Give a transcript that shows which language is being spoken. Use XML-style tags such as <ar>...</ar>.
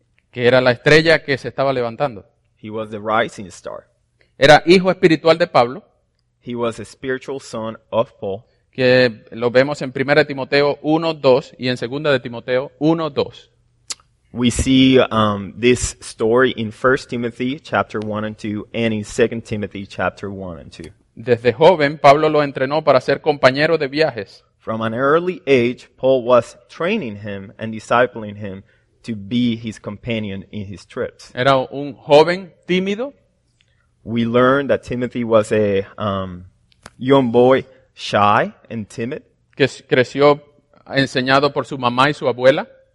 <es>Que era la estrella que se estaba levantando.</es> <en>He was the rising star.</en> <es>Era hijo espiritual de Pablo.</es> <en>He was a spiritual son of Paul.</en> <es>Que lo vemos en 1 Timoteo 1:2 y en 2 de Timoteo 1:2.</es> <en>We see this story in 1 Timothy chapter 1 and 2 and in 2 Timothy chapter 1 and 2.</en> <es>Desde joven, Pablo lo entrenó para ser compañero de viajes.</es> <en>From an early age, Paul was training him and discipling him to be his companion in his trips.</en> <es>Era un joven tímido.</es> <en>We learned that Timothy was a young boy, shy and timid.</en> <es>Que creció enseñado por su mamá y su abuela.</es>